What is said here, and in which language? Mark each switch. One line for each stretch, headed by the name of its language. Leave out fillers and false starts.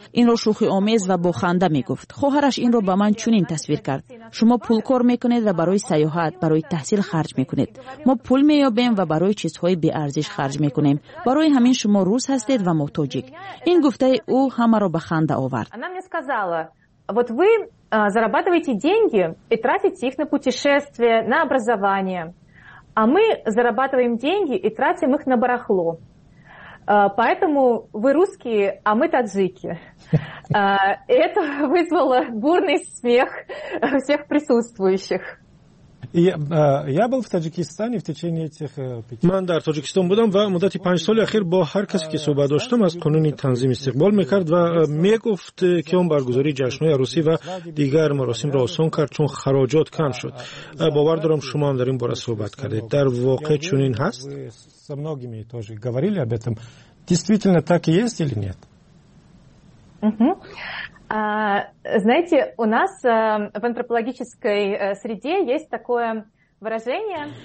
Persian: این را شوخی آمیز و بخنده می گفت. خواهرش این را به من چنین تصویر کرد. شما پول کار می کنید و برای سیاحت، برای تحصیل خرج می کنید. ما پول می یابیم و برای چیزهای بی ارزش خرج می کنیم. برای همین شما روس هستید و ما تاجیک. این گفته او همه را به خنده آورد.
Russian: Она мне сказала: вот вы зарабатываете деньги и тратите их на путешествия, на образование. А мы зарабатываем деньги и тратим их на барахло. Поэтому вы русские, а мы таджики. Это вызвало бурный смех всех присутствующих. Я был в Таджикистане в течение этих 5
Tajik: Ман дар Таджикистан будам ва муддати 5 соли ахир бо ҳар касе ки суҳбат доштам аз қонуни танзим истиқбол мекард ва мегуфт ки он баргузори ҷашнҳои арусӣ ва дигар маросимро осон кард чун хароҷот кам шуд. Бовар дорам шумо ҳам дар ин бора суҳбат кардед. Дар воқеъ чунин ҳаст?
Russian: Со многими тоже говорили об этом. Действительно так и есть или нет? Знаете, у нас в антропологической среде есть такое выражение.